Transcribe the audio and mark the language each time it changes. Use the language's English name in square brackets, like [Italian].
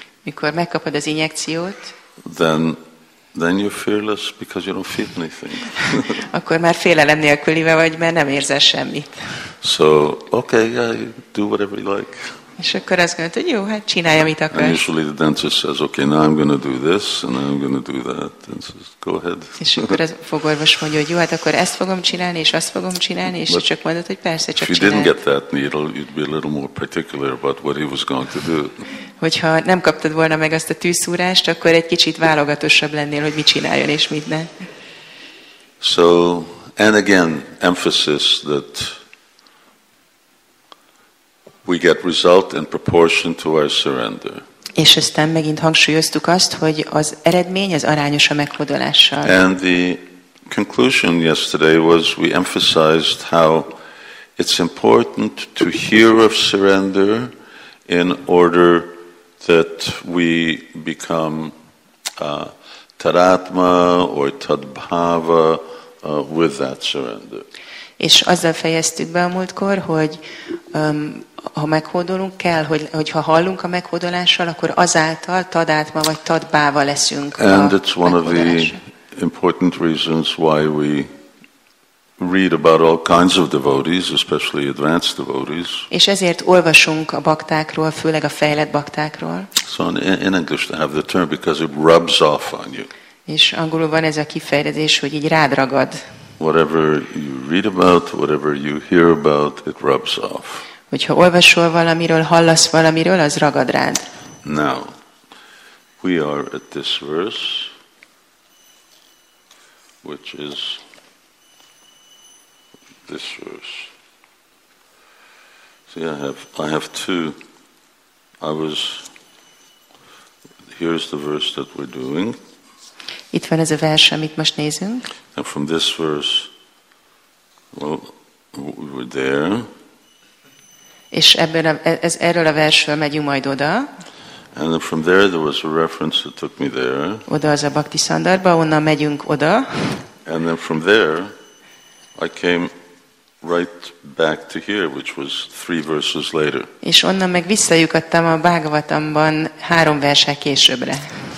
[Hungarian] mikor megkapod az injekciót, [English] then you're fearless because you don't feel anything. [Hungarian] Akkor már félelem nélkülibe vagy, mert nem érzel semmit. [English] So, okay, yeah, you do whatever you like. [Hungarian] És akkor azt gondolt, hogy jó, hát csinálja, mit akar. [English] And usually the dentist says, okay, now I'm going to do this, and I'm going to do that. And says, go ahead. [Hungarian] És akkor az fogorvos mondja, hogy jó, hát akkor ezt fogom csinálni, és azt fogom csinálni, és csak mondod, hogy persze, csak csinálj. [English] If you didn't get that needle, you'd be a little more particular about what he was going to do. [Hungarian] Hogyha nem kaptad volna meg azt a tűszúrást, akkor egy kicsit válogatosabb lennél, hogy mit csináljon, és mit ne. [English] So, and again, emphasis that we get result in proportion to our surrender. [Hungarian] És aztán megint hangsúlyoztuk azt, hogy az eredmény az arányos a meghódolással. [English] And the conclusion yesterday was we emphasized how it's important to hear of surrender in order that we become taratma or tadbhava with that surrender. [Hungarian] És azzal fejeztük be a múltkor, hogy ha meghódolunk kell, hogy ha hallunk a meghódolással, akkor azáltal tadátma vagy tadbáva leszünk. [English] And it's one of the important reasons why we read about all kinds of devotees, especially advanced devotees. [Hungarian] És ezért olvasunk a baktákról, főleg a fejlett baktákról. [English] So in English they have the term because it rubs off on you. [Hungarian] És angolul van ez a kifejezés, hogy így rád ragad. [English] Whatever you read about, whatever you hear about, it rubs off. [Hungarian] Hogyha olvasol valamiről, hallasz valamiről, az ragad rád. [English] Now, we are at this verse, which is this verse. See, I have two. Here's the verse that we're doing. [Hungarian] Itt van ez a vers, amit most nézünk. [English] And from this verse, well, we were there. [Hungarian] És ebben erről a versről megyünk majd oda. [English] And from there there was a reference that took me there. [Hungarian] Oda az a Bhakti Sandarbha, onnan megyünk oda. [English] And then from there I came right back to here, which was three verses later. [Hungarian] És onnan meg visszajukadtam a Bhagavatamban három verssel későbbre.